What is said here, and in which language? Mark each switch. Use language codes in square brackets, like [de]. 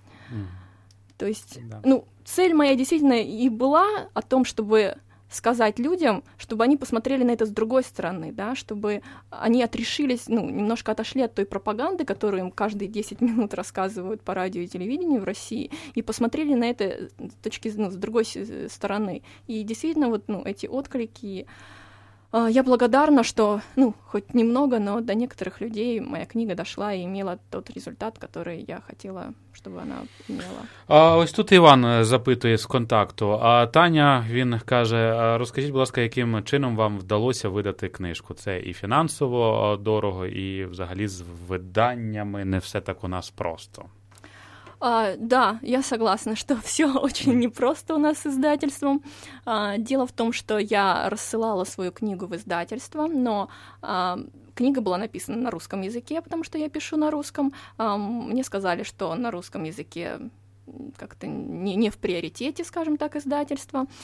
[ru] Угу. То есть, да. Ну, цель моя действительно и была о том, чтобы сказать людям, чтобы они посмотрели на это с другой стороны, да, чтобы они отрешились, ну, немножко отошли от той пропаганды, которую им каждые 10 минут рассказывают по радио и телевидению в России, и посмотрели на это с точки, ну, с другой стороны. И действительно, вот, ну, эти отклики, я благодарна, что, ну, хоть немного, но до некоторых людей моя книга дошла и имела тот результат, который я хотела, чтобы она имела. [uk] А ось тут Іван запитує з контакту, а Таня, він каже, розкажіть, будь ласка, яким чином вам вдалося видати книжку? Це і фінансово дорого, і взагалі з виданнями не все так у нас просто. [ru] Да, я согласна, что все очень непросто у нас с издательством. Дело в том, что я рассылала свою книгу в издательство, но книга была написана на русском языке, потому что я пишу на русском. Мне сказали, что на русском языке как-то не в приоритете, скажем так, издательства.